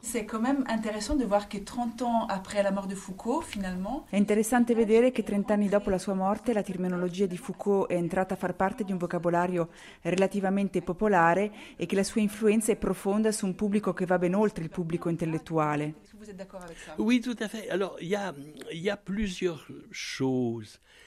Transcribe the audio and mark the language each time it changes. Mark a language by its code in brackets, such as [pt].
[fr] C'est quand même intéressant de voir que 30 ans après la mort de Foucault, finalement. [it] È interessante vedere che 30 anni dopo la sua morte la terminologia di Foucault è entrata a far parte di un vocabolario relativamente popolare e che la sua influenza è profonda su un pubblico che va ben oltre il pubblico intellettuale. [fr] Oui, tout à fait. Alors, il y a plusieurs choses.